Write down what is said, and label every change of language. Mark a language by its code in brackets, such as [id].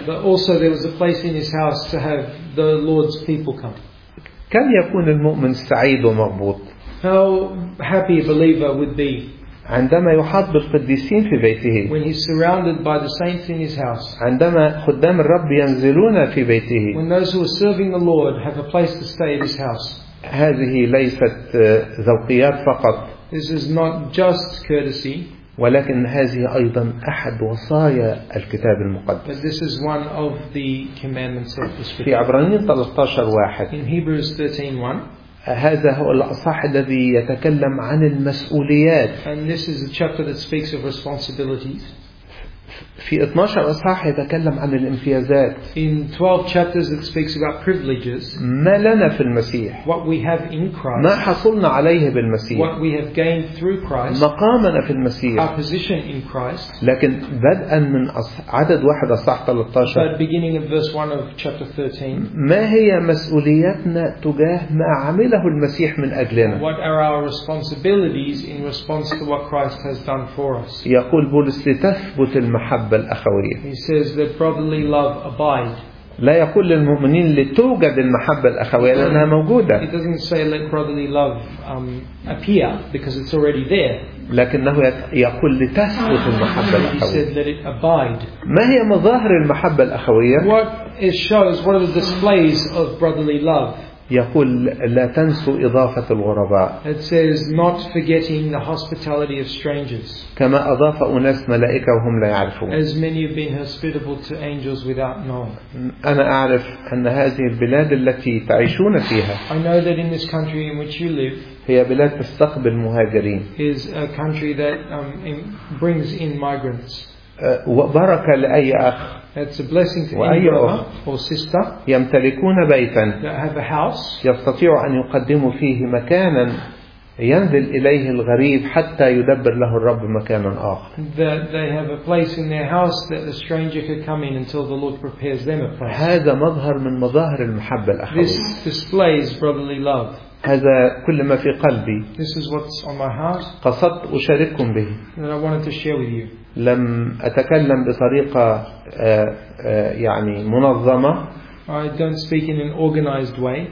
[en] But also there was a place in his house to have the Lord's people come. [ar] كم يكون المؤمن سعيد ومغبوط؟ [en] How happy a believer would be. [ar] عندما يحاط بالقديسين في بيته. [en] When he's surrounded by the saints in his house. [ar] عندما خدام الرب ينزلون في بيته. [en] When those who are serving the Lord have a place to stay in his house. [ar] هذه ليست ذوقيات فقط. [en] This is not just courtesy. [ar] ولكن هذه أيضا أحد وصايا الكتاب المقدس. [en] But this is one of the commandments of the Scripture. [ar] في عبرانيين 13:1. [en] In Hebrews 13:1. [ar] هذا هو الأصح الذي يتكلم عن المسؤوليات. [en] And this is a chapter that speaks of responsibilities. [ar] في 12 أصحاح يتكلم عن الامتيازات. [en] In 12 chapters it speaks about privileges. [ar] ما لنا في المسيح. [en] What we have in Christ. [ar] ما حصلنا عليه بالمسيح. [en] What we have gained through Christ. [ar] مقامنا في المسيح. [en] Our position in Christ. [ar] لكن بدءا من عدد 1 أصحاح 13. [en] But beginning of verse 1 of chapter 13. [ar] ما هي مسؤوليتنا تجاه ما عمله المسيح من أجلنا؟ [en] What are our responsibilities in response to what Christ has done for us? [ar] يقول بولس لتثبت المحبة الأخوية. [en] He says that brotherly love abide. [ar] لا يقول للمؤمنين لتوجد المحبة الأخوية لأنها موجودة. [en] He doesn't say let brotherly love appear because it's already there. [ar] لكنه يقول لتثبت المحبة الأخوية. [en] He said let it abide. [ar] ما هي مظاهر المحبة الأخوية؟ [en] What it shows, what are the displays of brotherly love? [ar] يقول لا تنسوا إضافة الغرباء. [en] It says not forgetting the hospitality of strangers. [ar] كما أضاف أناس ملائكة وهم لا يعرفون. [en] As many have been hospitable to angels without knowing. [ar] أنا أعرف أن هذه البلاد التي تعيشون فيها. [en] I know that in this country in which you live. [ar] هي بلاد تستقبل مهاجرين. [en] Is a country that brings in migrants. [ar] وبركة لأي أخ. [en] It's a blessing to any brother or sister. [ar] يمتلكون بيتا. [en] That have a house. [ar] يستطيع أن يقدموا فيه مكانا ينزل إليه الغريب حتى يدبر له الرب مكانا آخر. [en] That they have a place in their house that the stranger could come in until the Lord prepares them a place. [ar] هذا مظهر من مظاهر المحبة الأخوية. [en] This displays brotherly love. [ar] هذا كل ما في قلبي. [en] This is what's on my heart. [ar] قصدت أشارككم به. [en] That I wanted to share with you. [ar] لم أتكلم بطريقة يعني منظمة. [en] I don't speak in an organized way.